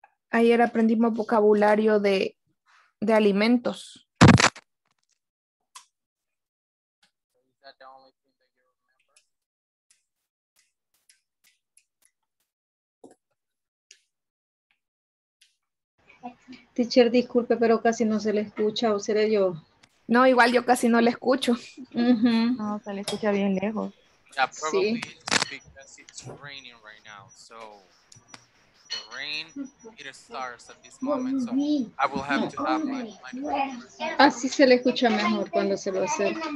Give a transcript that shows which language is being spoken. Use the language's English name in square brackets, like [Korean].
[Spanish] Ayer aprendimos vocabulario de alimentos. [English] Is that the only thing that you remember? [Spanish] Teacher, disculpe, pero casi no se le escucha, ¿o seré yo? No, igual yo casi no le escucho. No, se le escucha bien lejos. [English] Yeah, probably sí. It's because it's raining right now, so... The rain, it starts at this moment, so I will have to have my microphone. [Spanish] Así se le escucha mejor cuando se lo hace.